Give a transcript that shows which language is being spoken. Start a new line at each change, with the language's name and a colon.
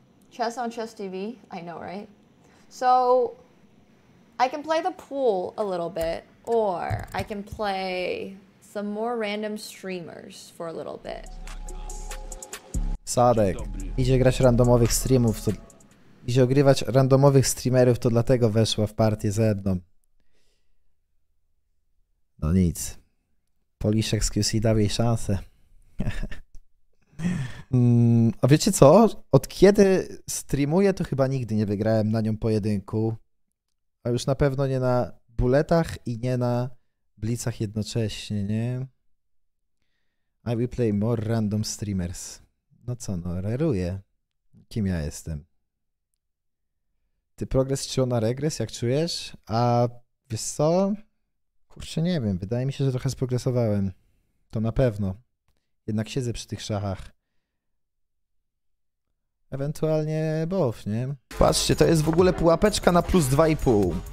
English: Chess on Chess TV? I know, right? So, I can play the pool a little bit, or I can play some more random streamers for a little bit.
Polish: Sadek, idzie grać randomowych streamów, to... Idzie ogrywać randomowych streamerów, to dlatego weszła w partię ze mną. No nic. Poliszek z QC dał jej szansę. A wiecie co? Od kiedy streamuję, to chyba nigdy nie wygrałem na nią pojedynku. A już na pewno nie na buletach i nie na blicach jednocześnie, nie?
English: I will play more random streamers.
Polish: No co, no, reruję. Kim ja jestem? Ty progres czy ona regres, jak czujesz? A wiesz co? Kurczę, nie wiem. Wydaje mi się, że trochę sprogresowałem. To na pewno. Jednak siedzę przy tych szachach. Ewentualnie bof, nie? Patrzcie, to jest w ogóle pułapeczka na plus 2,5.